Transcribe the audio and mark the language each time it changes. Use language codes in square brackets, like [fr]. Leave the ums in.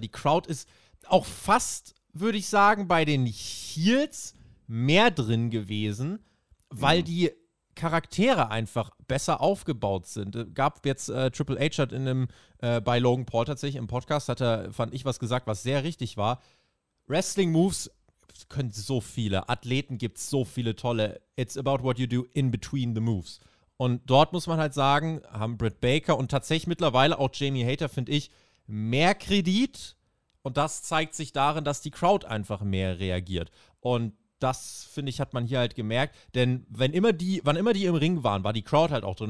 [de] Die Crowd ist auch fast, würde ich sagen, bei den Heels mehr drin gewesen, weil Mhm. die Charaktere einfach besser aufgebaut sind. Äh, Gab jetzt äh, Triple H hat in einem, äh, bei Logan Paul tatsächlich im Podcast, hat er, fand ich, was gesagt, was sehr richtig war. Wrestling-Moves können so viele. Athleten gibt es so viele tolle. [en] It's about what you do in between the moves. [de] Und dort muss man halt sagen, haben Britt Baker und tatsächlich mittlerweile auch Jamie Hater, finde ich, mehr Kredit. Und das zeigt sich darin, dass die Crowd einfach mehr reagiert. Und das, finde ich, hat man hier halt gemerkt. Denn wenn immer die, wann immer die im Ring waren, war die Crowd halt auch drin.